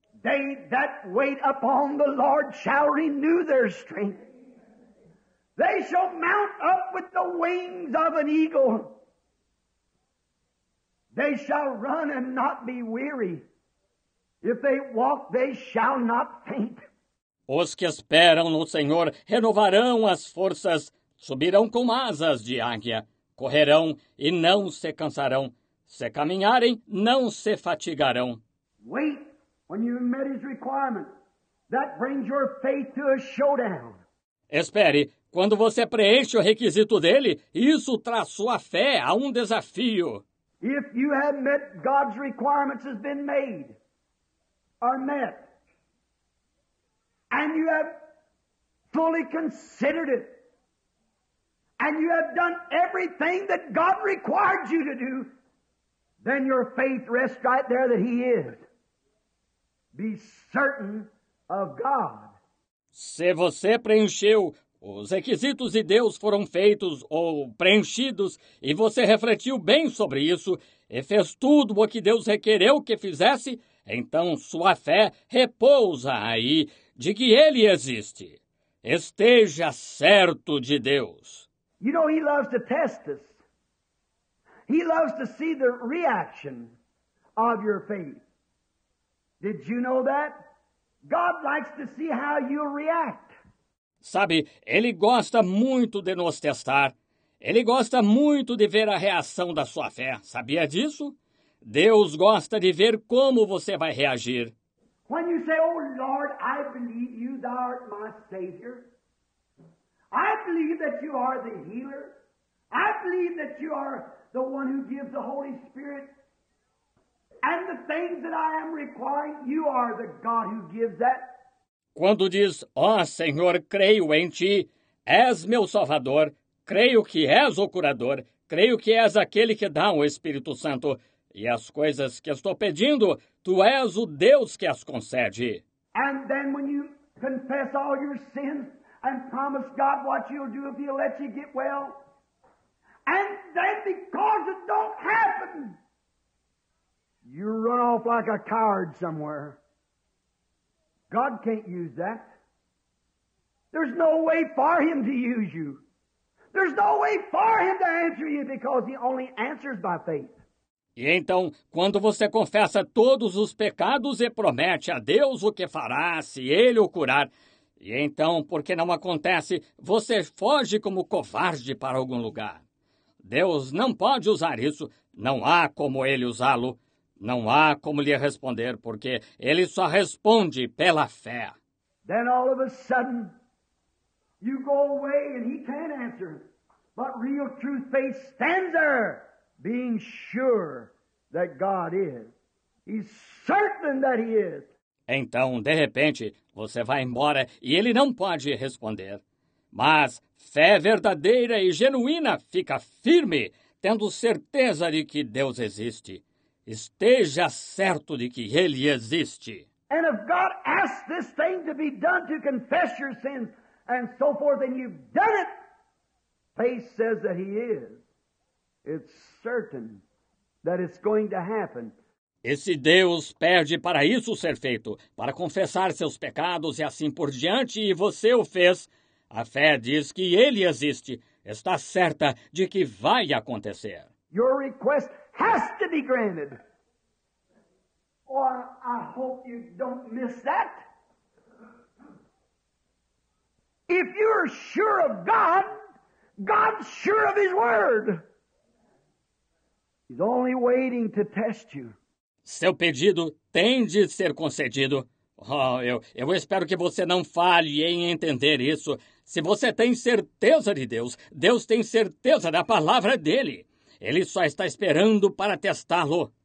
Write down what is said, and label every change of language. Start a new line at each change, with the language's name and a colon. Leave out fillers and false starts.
English: They that wait upon the Lord shall renew their strength. They shall mount up with the wings of an eagle. They shall run and not be weary. If they walk, they shall not faint.
Portuguese: Os que esperam no Senhor renovarão as forças, subirão com asas de águia, correrão e não se cansarão, se caminharem, não se fatigarão.
English: Wait. When you met his requirement, that brings your faith to a showdown.
Portuguese: Espere, quando você preenche o requisito dele, isso traz sua fé a um desafio.
English: If you have met God's requirements has been made, or met, and you have fully considered it, and you have done everything that God required you to do, Then your faith rests right there that he is. Be certain of God.
Portuguese: Se você preencheu os requisitos de Deus foram feitos ou preenchidos e você refletiu bem sobre isso e fez tudo o que Deus requereu que fizesse, então sua fé repousa aí de que ele existe. Esteja certo de Deus.
English: You know, he loves to test us. He loves to see the reaction of your faith. Did you know that? God likes to see how you react.
Portuguese: Sabe, ele gosta muito de nos testar. Ele gosta muito de ver a reação da sua fé. Sabia disso? Deus gosta de ver como você vai reagir.
English: When you say, oh Lord, I believe you, thou art my Savior. I believe that you are the healer. I believe that you are the one who gives the Holy Spirit. And the things that I am requiring, you are the God who gives that.
Portuguese: Quando diz, ó Senhor, creio em ti, és meu Salvador, creio que és o curador, creio que és aquele que dá o Espírito Santo, e as coisas que estou pedindo, tu és o Deus que as concede.
English: And then when you confess all your sins and promise God what you'll do if he'll let you get well, and then because it don't happen, you run off like a coward somewhere. God can't use that. There's no way for him to use you. There's no way for him to answer you because he only answers by faith.
Portuguese: E então, quando você confessa todos os pecados e promete a Deus o que fará se ele o curar, e então, porque não acontece, você foge como covarde para algum lugar. Deus não pode usar isso. Não há como ele usá-lo. Não há como lhe responder, porque ele só responde pela fé.
English: Then all of a sudden, you go away and he can't answer. But real truth faith stands there, being sure that God is. He's certain that he is.
Portuguese: Então, de repente, você vai embora e ele não pode responder. Mas fé verdadeira e genuína fica firme, tendo certeza de que Deus existe. Esteja certo de que ele existe.
English: And if God asks this thing to be done to confess your sins and so forth, and you've done it, faith says that he is. It's certain that it's going to happen.
Portuguese: E se Deus pede para isso ser feito, para confessar seus pecados e assim por diante, e você o fez, a fé diz que ele existe. Está certa de que vai acontecer.
English: Your request has to be granted. Oh, I hope you don't miss that. If you're sure of God, God's sure of his word. He's only waiting to test you.
Portuguese: Seu pedido tem de ser concedido. Oh, eu espero que você não falhe em entender isso. Se você tem certeza de Deus, Deus tem certeza da palavra dele. Ele só está esperando para testá-lo.